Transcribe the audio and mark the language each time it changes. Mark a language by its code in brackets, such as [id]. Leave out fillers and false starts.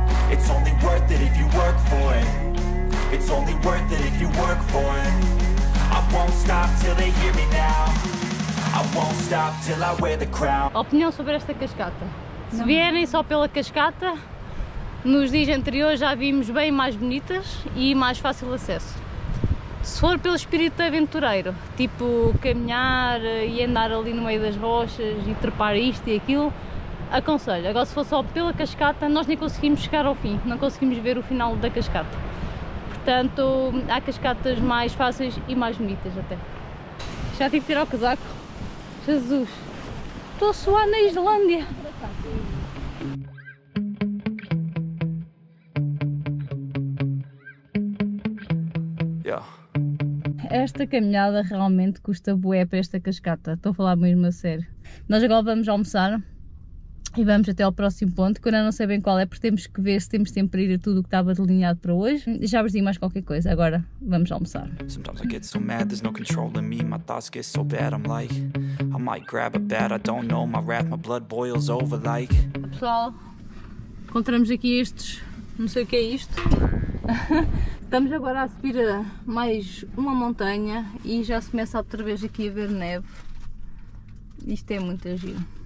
[en] It's only worth it if you work for it. It's only worth it if you work for it. I won't stop till they hear me now. I won't stop till I wear the crown. [pt] Opinião sobre esta cascata. Se vierem só pela cascata, nos dias anteriores já vimos bem mais bonitas e mais fácil acesso. Se for pelo espírito aventureiro, tipo caminhar e andar ali no meio das rochas e trepar isto e aquilo, aconselho. Agora se for só pela cascata, nós nem conseguimos chegar ao fim, não conseguimos ver o final da cascata. Portanto, há cascatas mais fáceis e mais bonitas até. Já tive que tirar o casaco. Jesus, estou a suar na Islândia. Esta caminhada realmente custa bué para esta cascata, estou a falar mesmo a sério. Nós agora vamos almoçar e vamos até ao próximo ponto, que eu não sei bem qual é, porque temos que ver se temos tempo para ir a tudo o que estava delineado para hoje. Já vos digo mais qualquer coisa, agora vamos almoçar. [en] Sometimes I get so mad, there's no control in me. My thoughts get so bad, I'm like, I might grab a bat, I don't know. My wrath, my blood boils over like... [pt] Pessoal, encontramos aqui estes, não sei o que é isto. Estamos agora a subir mais uma montanha e já se começa outra vez aqui a ver neve. Isto é muito giro.